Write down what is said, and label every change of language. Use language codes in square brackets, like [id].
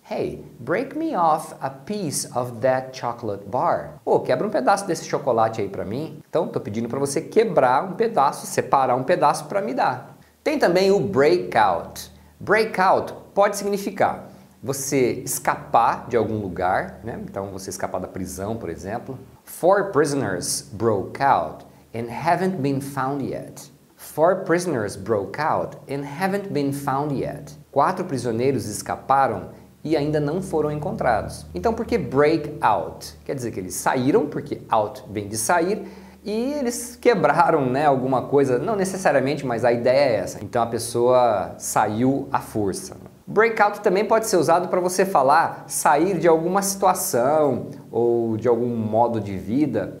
[en] Hey, break me off a piece of that chocolate bar. [pt] Oh, quebra um pedaço desse chocolate aí pra mim. Então, tô pedindo pra você quebrar um pedaço, separar um pedaço pra me dar. Tem também o breakout. Breakout pode significar você escapar de algum lugar, né? Então, você escapar da prisão, por exemplo. [en] Four prisoners broke out and haven't been found yet. Four prisoners broke out and haven't been found yet. [pt] Quatro prisioneiros escaparam e ainda não foram encontrados. Então, por que break out? Quer dizer que eles saíram, porque out vem de sair, e eles quebraram, né, alguma coisa, não necessariamente, mas a ideia é essa. Então, a pessoa saiu à força. Break out também pode ser usado para você falar sair de alguma situação ou de algum modo de vida.